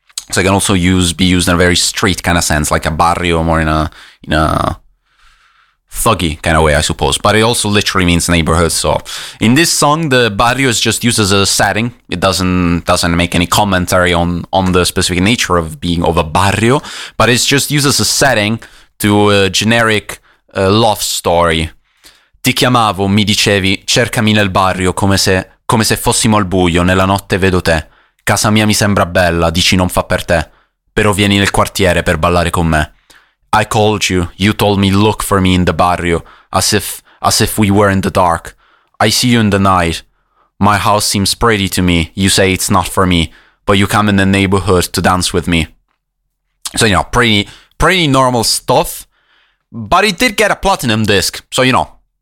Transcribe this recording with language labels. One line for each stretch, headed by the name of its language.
English: So it can also be used in a very street kind of sense, like a barrio, more in a thuggy kind of way, I suppose. But it also literally means neighborhood. So in this song, the barrio is just used as a setting. It doesn't make any commentary on the specific nature of being of a barrio, but it's just used as a setting to a generic love story.
Italian: Ti chiamavo, mi dicevi, cercami nel barrio come se fossimo al buio, nella notte vedo te. Casa mia mi sembra bella, dici non fa per te, però vieni nel quartiere per ballare con me.
English: I called you, you told me look for me in the barrio, as if we were in the dark. I see you in the night. My house seems pretty to me, you say it's not for me, but you come in the neighborhood to dance with me. So, you know, pretty normal stuff, but it did get a platinum disc, so, you know.